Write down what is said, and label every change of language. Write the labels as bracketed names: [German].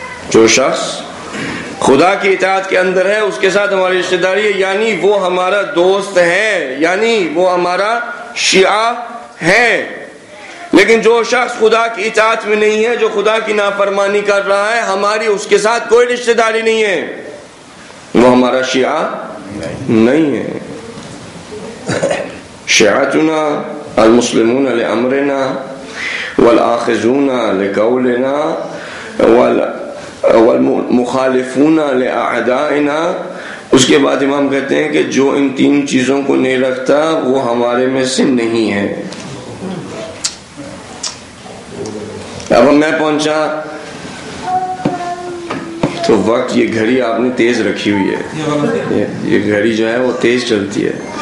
[Urdu] جو شخص خدا کی اطاعت کے اندر ہے اس کے ساتھ ہماری رشتہ داری ہے, یعنی وہ ہمارا دوست ہے, یعنی وہ ہمارا شیعہ ہے. لیکن جو شخص خدا کی اطاعت میں نہیں ہے, جو خدا کی نافرمانی کر رہا ہے, ہماری اس کے ساتھ کوئی رشتہ داری نہیں ہے, وہ ہمارا شیعہ نہیں ہے. [Arabic] شیعتنا المسلمون لامرنا والآخذون لقولنا وال مخالفون لاعدائنا. [Urdu] اس کے بعد امام کہتے ہیں کہ جو ان تین چیزوں کو نہیں رکھتا وہ ہمارے میں سے نہیں ہے. اب میں پہنچا تو وقت, یہ گھڑی آپ نے تیز رکھی ہوئی ہے, یہ گھڑی جو ہے وہ تیز چلتی ہے.